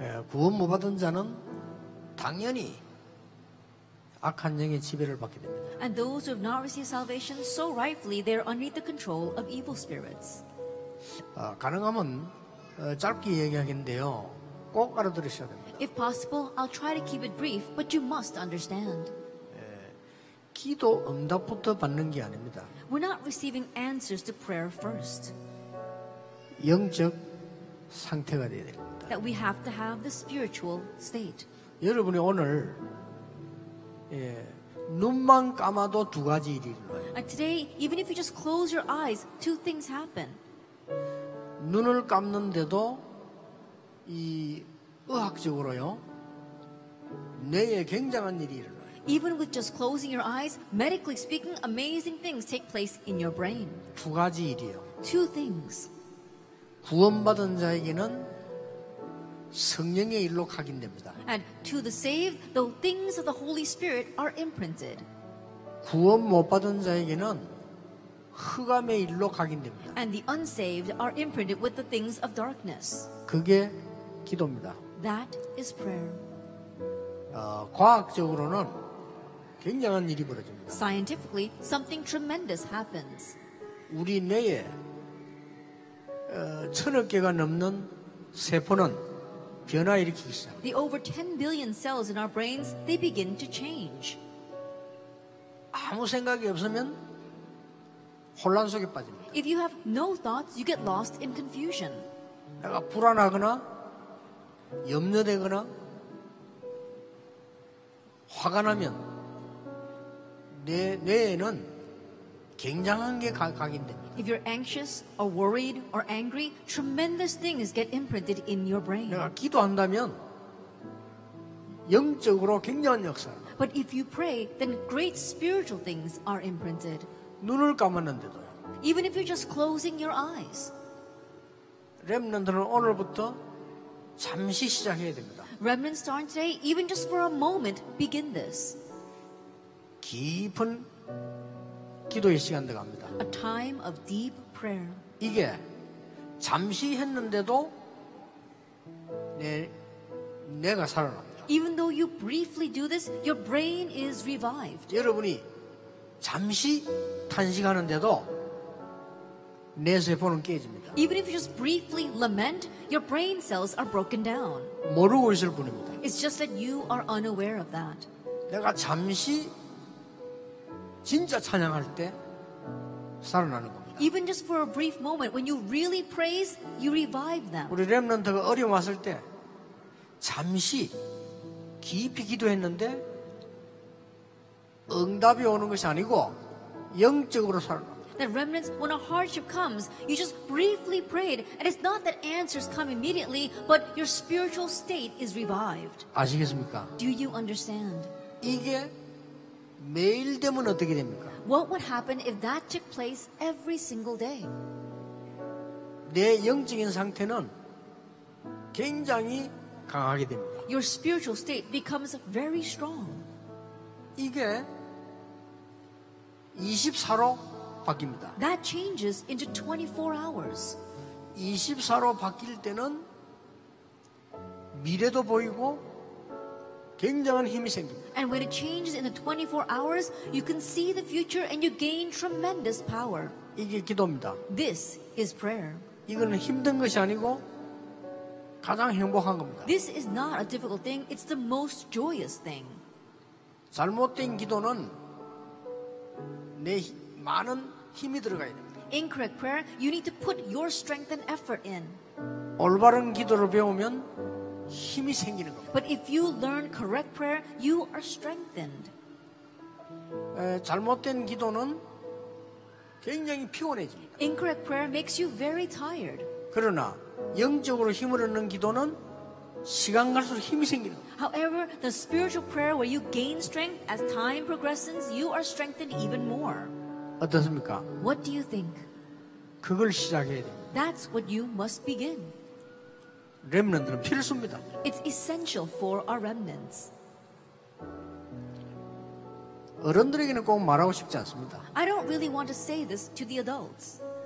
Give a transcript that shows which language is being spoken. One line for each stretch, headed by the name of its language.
Korean: 구원 못 받은 자는 당연히 악한 영의 지배를 받게 됩니다.
English: And those who have not received salvation, so rightfully they are underneath the control of evil spirits.
Korean: 가능하면 짧게 얘기하겠는데요. 꼭 알아들으셔야 됩니다.
English: If possible, I'll try to keep it brief, but you must understand.
Korean: 기도 응답부터 받는 게 아닙니다.
English: We're not receiving answers to prayer first.
Korean: 영적 상태가 돼야 됩니다.
English: That we have to have the spiritual state.
Korean: 여러분이 오늘 눈만 감아도 두 가지 일이 일어나요.
English: Today, even if you just close your eyes, two things happen.
Korean: 눈을 감는데도 이 의학적으로요 뇌에 굉장한 일이 일어나요.
English: Even with just closing your eyes, medically speaking, amazing things take place in your brain.
Korean: 두 가지 일이요.
English: Two things.
Korean: 구원받은 자에게는 성령의 일로 각인됩니다.
English: And to the saved, the things of the Holy Spirit are imprinted.
Korean: 구원 못 받은 자에게는 흑암의 일로 각인됩니다.
English: And the unsaved are imprinted with the things of darkness.
Korean: 그게 기도입니다.
English: That is prayer.
Korean: 과학적으로는 굉장한 일이 벌어집니다.
English: Scientifically, something tremendous happens.
Korean: 우리 뇌에 천억 개가 넘는 세포는 변화일으키기 시작합니다.
English: The over 10 billion cells in our brains, they begin to change.
Korean: 아무 생각이 없으면 혼란 속에 빠집니다.
English: If you have no thoughts, you get lost in confusion.
Korean: 내가 불안하거나 염려되거나 화가 나면 내 뇌에는 굉장한 게 각인됩니다.
English: If you're anxious or worried or angry, tremendous things get imprinted in your brain.
Korean: 내가 기도한다면 영적으로 굉장한 역사.
English: But if you pray, then great spiritual things are imprinted.
Korean: 눈을 감았는데도.
English: Even if you're just closing your eyes.
Korean: 렘넌트는 오늘부터 잠시 시작해야 됩니다.
English: Remnants starting today, even just for a moment, begin this.
Korean: 깊은 기도의 시간도 갑니다.
English: A time of deep prayer.
Korean: 이게 잠시 했는데도 내가 살아납니다.
English: Even though you briefly do this, your brain is revived.
Korean: 여러분이 잠시 탄식하는데도 내 세포는 깨집니다.
English: Even if you just briefly lament, your brain cells are broken down.
Korean: 모르고 있을 뿐입니다.
English: It's just that you are unaware of that.
Korean: 내가 잠시 진짜 찬양할 때 살아나는 겁니다.
English: Even just for a brief moment, when you really praise, you revive them.
Korean: 우리 렘넌트가 어려움 왔을 때 잠시 깊이 기도했는데 응답이 오는 것이 아니고 영적으로 살아납니다.
English: That remnants, when a hardship comes, you just briefly prayed, and it's not that answers come immediately, but your spiritual state is revived.
Korean: 아시겠습니까?
English: Do you understand?
Korean: 이게 매일 되면 어떻게 됩니까?
English: What would happen if that took place every single day?
Korean: 내 영적인 상태는 굉장히 강하게 됩니다.
English: Your spiritual state becomes very strong.
Korean: 이게 24로 바뀝니다.
English: That changes into 24 hours.
Korean: 24로 바뀔 때는 미래도 보이고 굉장한 힘이 생깁니다.
English: And when it changes into 24 hours, you can see the future and you gain tremendous power.
Korean: 이게 기도입니다.
English: This is prayer.
Korean: 이거는 힘든 것이 아니고 가장 행복한 겁니다.
English: This is not a difficult thing. It's the most joyous thing.
Korean: 잘못된 기도는 내 많은 힘이 들어가야 됩니다.
English: Incorrect prayer, you need to put your strength and effort in.
Korean: 올바른 기도를 배우면 힘이 생기는 겁니다.
English: But if you learn correct prayer, you are strengthened.
Korean: 잘못된 기도는 굉장히 피곤해집니다.
English: Incorrect prayer makes you very tired.
Korean: 그러나 영적으로 힘을 얻는 기도는 시간 갈수록 힘이 생기는 겁니다.
English: However, the spiritual prayer where you gain strength as time progresses, you are strengthened even more.
Korean: 어떻습니까?
English: What do you think?
Korean: 그걸 시작해야 돼.
English: That's what you must begin.
Korean: 렘넌트는 필수입니다.
English: It's essential for our remnants.
Korean: 어른들에게는 꼭 말하고 싶지 않습니다.
English: I don't really want to say this to the adults.